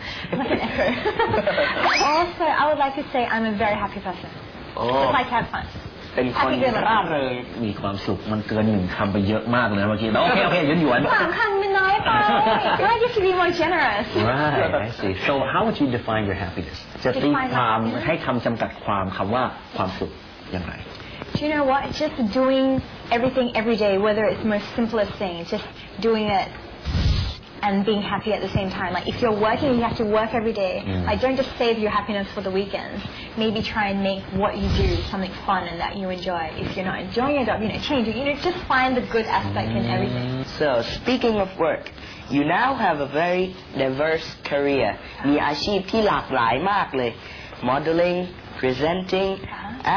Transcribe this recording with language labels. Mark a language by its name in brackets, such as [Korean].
[English] Also, I would like to say I'm a very happy person. Oh. Like have fun. [Thai] เป็นคนร่าเริง มีความสุขมันเกินหนึ่งคำไปเยอะมากเลยเมื่อกี้โอเคโอเคยืนหยวน สามคำไม่น้อยไป [English] Why just be more generous Right I see So how would you define your happiness [Thai] จะตีความให้คำจำกัดความคำว่าความสุขยังไง [English] Do you know what? It's just doing everything every day, whether it's the most simplest thing. Just doing it and being happy at the same time. Like if you're working, you have to work every day. Mm. Like don't just save your happiness for the weekends. Maybe try and make what you do something fun and that you enjoy. If you're not enjoying your job, you know, change it. You know, just find the good aspect in everything. So speaking of work, you now have a very diverse career. [Thai] มีอาชีพที่หลากหลายมากเลย Modeling, presenting, uh-huh.